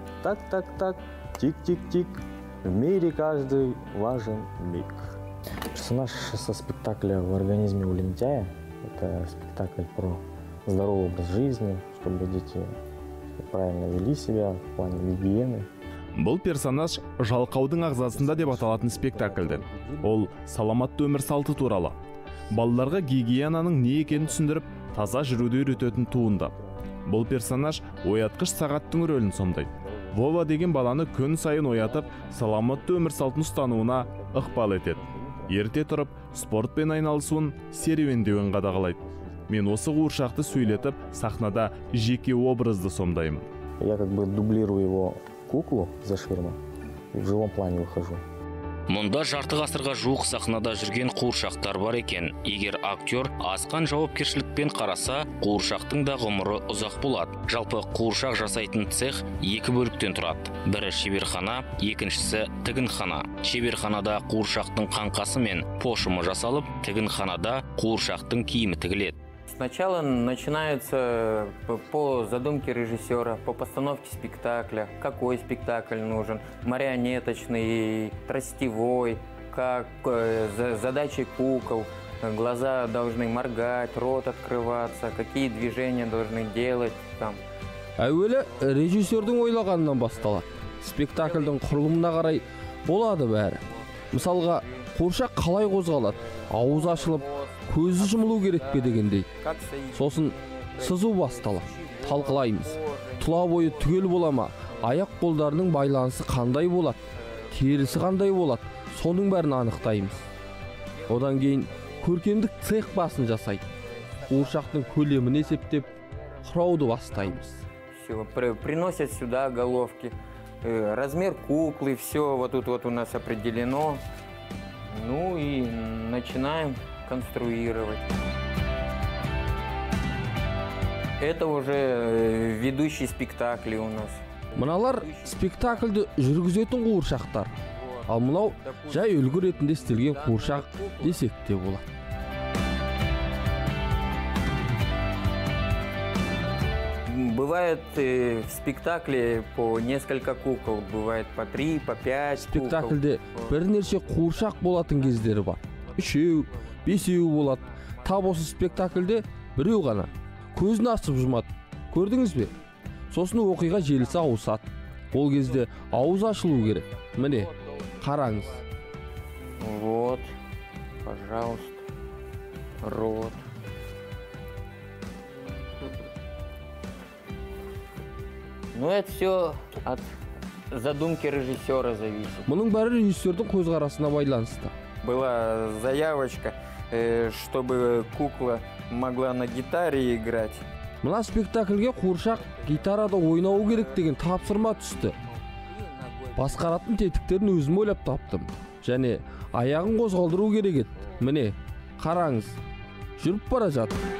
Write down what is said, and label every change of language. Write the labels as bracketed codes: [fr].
[ru] Так-так-так, тик-тик-тик, в мире каждый важен миг. Персонаж со спектакля «В организме у лентяя» — это спектакль про здоровый образ жизни, чтобы дети правильно вели себя в плане гигиены. [kk] Бұл персонаж жалқаудың ағзасында деп аталатын спектакльден. Ол саламатты өмір салты туралы. Балаларға гигиенаның не екенін түсіндіріп, таза жүруді үйрететін туынды. Бұл персонаж оятқыш сағаттың рөлін сомдайды. Вова деген баланы күн сайын оятып, саламатты өмір салтын ұстануына ықпал етеді. Ерте тұрып, спортпен айналысуын серуендеуін қадағалайды. Мен осы қуыршақты сөйлетіп, сахнада жеке образды сомдаймын. [ru] Я как бы дублирую его куклу за ширма и в живом плане выхожу. [kk] Мұнда жарты ғасырға жуық сахнада жүрген қуыршақтар бар екен. Егер актер асқан жауапкершілікпен қараса, қуыршақтың да ғұмыры ұзақ болады. Жалпы қуыршақ жасайтын цех екі бөліктен тұрады. Бірі шеберхана, екіншісі тігінхана. Шеберханада қуыршақтың қаңқасы мен пошымы жасалып, тігінханада қуыршақтың киімі тігіледі. [ru] Сначала начинается по задумке режиссера, по постановке спектакля, какой спектакль нужен, марионеточный, тростевой, как задачи кукол, глаза должны моргать, рот открываться, какие движения должны делать там. [kk] Әуелі режиссердің ойлағанынан басталады. Спектакльдің құрылымына қарай болады бәрі. Мысалға, қуыршақ қалай қозғалады, ауыз ашылып, көзі жұмылу керек пе дегендей. Сосын сызу бастала, талқылаймыз. Тұла бойы түгел болама, аяқ қолдарының байланысы қандай болады, терісі қандай болады, соның бәрін анықтаймыз. Одан кейін көркемдік цех басын жасайды. Қуыршақтың көлемін есептеп, құрауды бастаймыз. [ru] Приносят сюда головки, размер куклы, все вот тут вот у нас определено. Ну и начинаем конструировать. Это уже ведущий спектакль у нас. [kk] Мыналар спектакльді жүргізетін қуыршақтар. Ал мынау жай үлгі ретінде істелген қуыршақ десек те болады. [ru] Бывает в спектакле по несколько кукол, бывает по три, по пять кукол. [kk] Спектакльде бірнеше қуыршақ болатын кездері бар. Үшеу, бесеу болады. Тап осы спектакльде біреу ғана көзін ашып жұмады. Көрдіңіз бе? Сосын оқиға желісі ауысады. Ол кезде ауыз ашылу керек. Міне, қараңыз. [ru] Вот, пожалуйста, рот. Ну, это все от задумки режиссера зависит. [kk] Мұның бәрі режиссердің көзқарасына байланысты. [ru] была заявочка, чтобы кукла могла на гитаре играть. [kk] Мына спектакльге куршақ гитарада ойнау керек деген тапсырма түсті. Басқаратын тетіктерін өзім ойлап таптым. Және аяғын қозғалдыру керек еді. Міне, қараңыз, жүріп бара жатыр.